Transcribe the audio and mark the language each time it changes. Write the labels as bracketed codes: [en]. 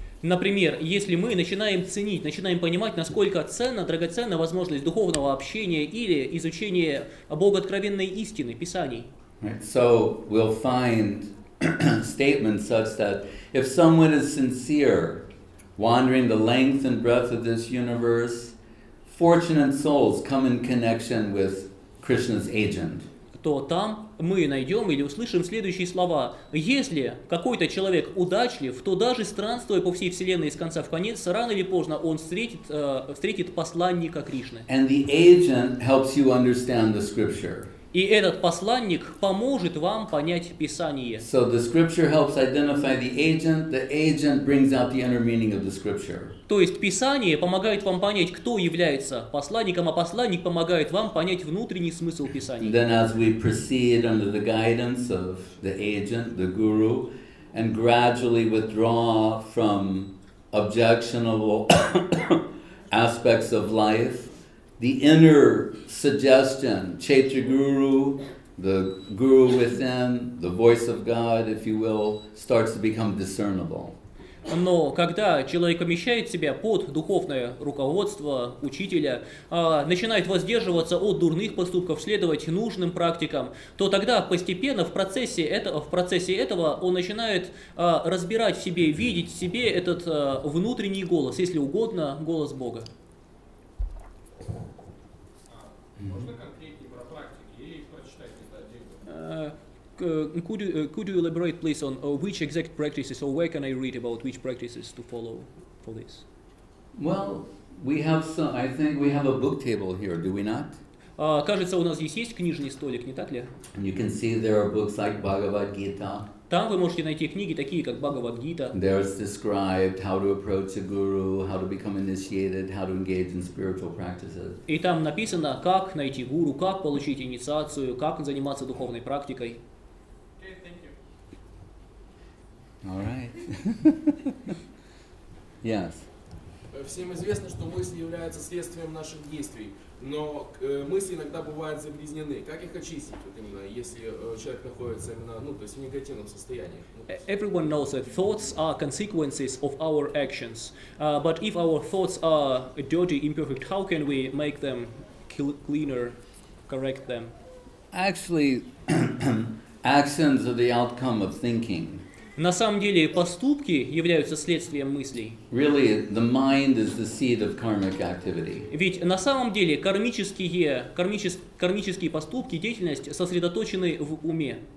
[ru] Например, если мы начинаем ценить, начинаем понимать, насколько ценна, драгоценна возможность духовного общения или изучения богооткровенной истины, Писаний. [en] Right. So we'll find statements such that if someone is sincere, wandering the length and breadth of this universe, fortunate souls come in connection with Krishna's agent. [ru] То там мы найдем или услышим следующие слова. Если какой-то человек удачлив, то даже странствуя по всей вселенной с конца в конец, рано или поздно он встретит посланника Кришны. [en] And the agent helps you understand the scripture. [ru] И этот посланник поможет вам понять Писание. [en] So the scripture helps identify the agent brings out the inner meaning of the scripture. [ru] То есть Писание помогает вам понять, кто является посланником, а посланник помогает вам понять внутренний смысл Писания. [en] Then as we proceed under the guidance of the agent, the guru, and gradually withdraw from objectionable aspects of life, the inner suggestion, Chaitya Guru, the guru within, the voice of God, if you will, starts to become discernible. [ru] Но когда человек помещает себя под духовное руководство учителя, начинает воздерживаться от дурных поступков, следовать нужным практикам, то тогда постепенно в процессе этого он начинает разбирать в себе, видеть в себе этот внутренний голос, если угодно, голос Бога. [en] Could you elaborate, please, on which exact practices, or where can I read about which practices to follow for this? Well, we have some. I think we have a book table here, do we not? [ru] Кажется, у нас здесь есть книжный столик, не так ли? [en] And you can see there are books like Bhagavad Gita. [ru] Там вы можете найти книги, такие как Bhagavad Gita. [en] There is described how to approach a guru, how to become initiated, how to engage in spiritual practices. [ru] И там написано, как найти гуру, как получить инициацию, как заниматься духовной практикой. [en] All right. Yes. [ru] Всем известно, что мысли являются следствием наших действий, но мысли иногда бывают загрязнены. Как их очистить, вот именно, если человек находится именно, ну, то есть в негативном состоянии? [en] Everyone knows that thoughts are consequences of our actions. But if our thoughts are dirty, imperfect, how can we make them cleaner, correct them? Actually, actions are the outcome of thinking. [ru] На самом деле, поступки являются следствием мыслей. [en] Really, the mind is the seed of karmic activity. [ru] Ведь на самом деле, кармические поступки, деятельность сосредоточены в уме.